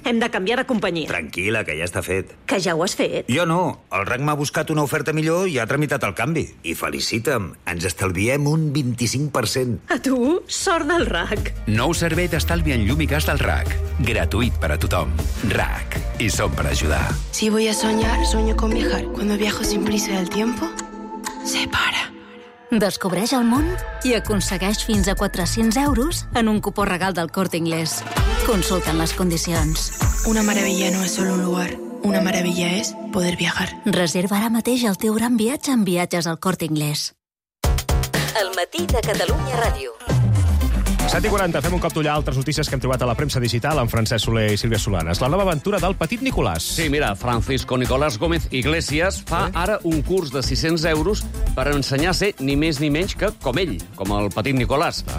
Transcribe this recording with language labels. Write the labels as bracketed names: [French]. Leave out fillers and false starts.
[Catalan] Hem de canviar de companyia. Tranquil·la, que ja està fet. Que ja ho has fet? Jo no. El RAC m'ha buscat una oferta millor i ha tramitat el canvi. I felicita'm, ens estalviem un 25%. A tu, sort del RAC. Nou servei d'estalvi en llum i gas del RAC. Gratuït per a tothom. RAC. I som per ajudar. [Spanish] Si voy a soñar, sueño con viajar. Cuando viajo sin prisa del tiempo, se para. [Catalan] Descobreix el món i aconsegueix fins a 400 euros en un cupó regal del Corte Inglés. Consulta'n les condicions. [Spanish] Una maravilla no es solo un lugar. Una maravilla es poder viajar. [Catalan] Reserva ara mateix el teu gran viatge en Viatges al Corte Inglés. El matí de Catalunya Ràdio. 7:40, fem un cop d'ullar altres notícies que hem trobat a la premsa digital amb Francesc Soler i Sílvia Solanes. La nova aventura del petit Nicolás. Sí, mira, Francisco Nicolás Gómez Iglesias fa ara un curs de 600 euros per ensenyar a ser ni més ni menys que com ell, com el petit Nicolás.